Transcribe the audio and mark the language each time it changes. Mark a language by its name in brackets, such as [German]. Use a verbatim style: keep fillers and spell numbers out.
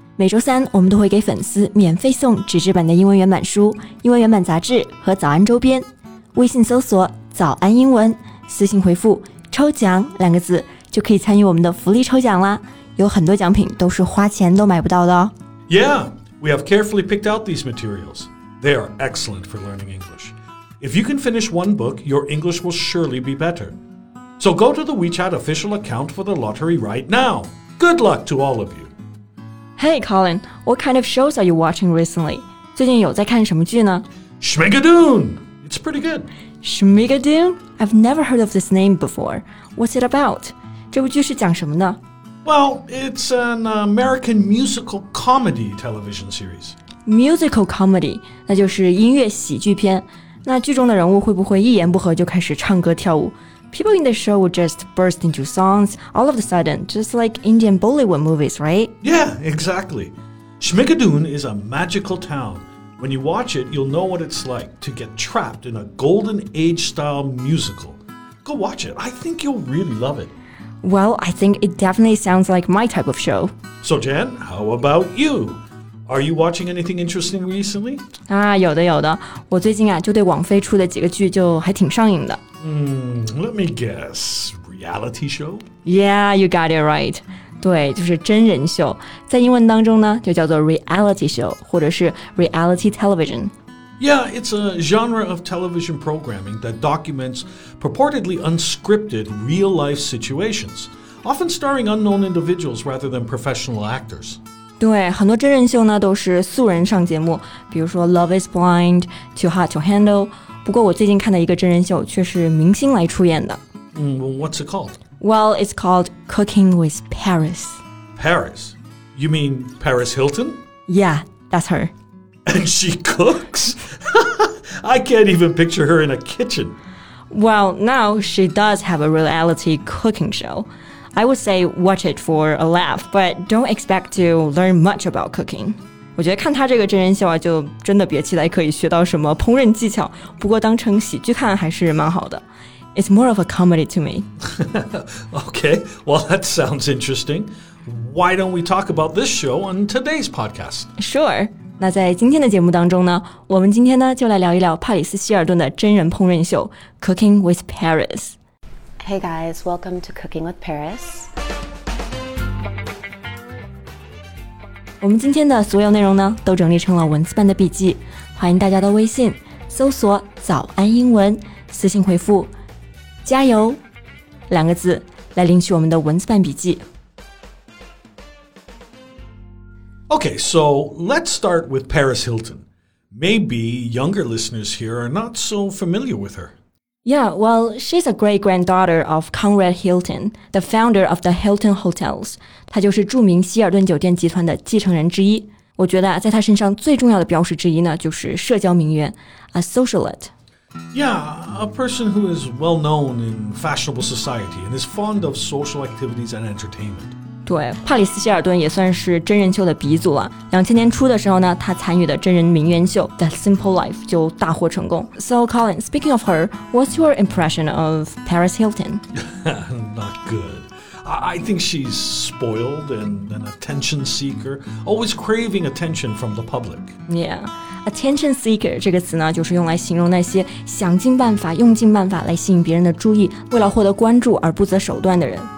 [Chinese] 每周三我们都会给粉丝免费送纸质版的英文原版书、英文原版杂志和早安周边。微信搜索“早安英文”，私信回复“抽奖”两个字，就可以参与我们的福利抽奖啦。有很多奖品都是花钱都买不到的哦。 [English] Yeah. We have carefully picked out these materials. They are excellent for learning English. If you can finish one book, your English will surely be better. So go to the WeChat official account for the lottery right now. Good luck to all of you. Hey, Colin, what kind of shows are you watching recently? [Chinese] 最近有在看什么剧呢 [English] Schmigadoon! It's pretty good. Schmigadoon? I've never heard of this name before. What's it about? [Chinese] 这部剧是讲什么呢 [English] Well, it's an American musical comedy television series. [Chinese] Musical comedy, 那就是音乐喜剧片。那剧中的人物会不会一言不合就开始唱歌跳舞 [English] ？People in the show would just burst into songs all of a sudden, just like Indian Bollywood movies, right? Yeah, exactly. Schmigadoon is a magical town. When you watch it, you'll know what it's like to get trapped in a golden age-style musical. Go watch it. I think you'll really love it. Well, I think it definitely sounds like my type of show. So, Jan, how about you? Are you watching anything interesting recently? [Chinese] 啊，有的有的，我最近啊就对网飞出的几个剧就还挺上瘾的。 [English] 嗯 let me guess, reality show? Yeah, you got it right. [Chinese] 对，就是真人秀，在英文当中呢就叫做 reality show 或者是 reality television. [English] Yeah, it's a genre of television programming that documents purportedly unscripted real-life situations, often starring unknown individuals rather than professional actors. [Chinese] 对，很多真人秀呢都是素人上节目，比如说 Love is Blind, Too Hot to Handle. 不过我最近看的一个真人秀却是明星来出演的。 [English] Mm, well, what's it called? Well, it's called Cooking with Paris. Paris? You mean Paris Hilton? Yeah, that's her. And she cooks? I can't even picture her in a kitchen. Well, now she does have a reality cooking show. I would say watch it for a laugh, but don't expect to learn much about cooking. [Chinese] 我觉得看她这个真人秀啊，就真的别期待可以学到什么烹饪技巧，不过当成喜剧看还是蛮好的。 [English] It's more of a comedy to me. Okay, well, that sounds interesting. Why don't we talk about this show on today's podcast? Sure. [Chinese] 那在今天的节目当中呢，我们今天呢就来聊一聊帕里斯希尔顿的真人烹饪秀 Cooking with Paris. [English] Hey guys, welcome to Cooking with Paris. [Chinese] 我们今天的所有内容呢都整理成了文字版的笔记，欢迎大家到微信搜索早安英文，私信回复加油两个字来领取我们的文字版笔记。 [English] Okay, so let's start with Paris Hilton. Maybe younger listeners here are not so familiar with her. Yeah, well, she's a great-granddaughter of Conrad Hilton, the founder of the Hilton Hotels. [Chinese] 她就是著名希尔顿酒店集团的继承人之一。我觉得在她身上最重要的标识之一呢，就是社交名媛 a socialite. [English] Yeah, a person who is well-known in fashionable society and is fond of social activities and entertainment. [Chinese] 对，帕里斯希尔顿也算是真人秀的鼻祖了。两千年初的时候呢，他参与的真人名媛秀 The Simple Life 就大获成功。 [English] So Colin, speaking of her, what's your impression of Paris Hilton? Not good. I think she's spoiled and an attention seeker, always craving attention from the public. [Chinese] Yeah, attention seeker 这个词呢，就是用来形容那些想尽办法、用尽办法来吸引别人的注意，为了获得关注而不择手段的人。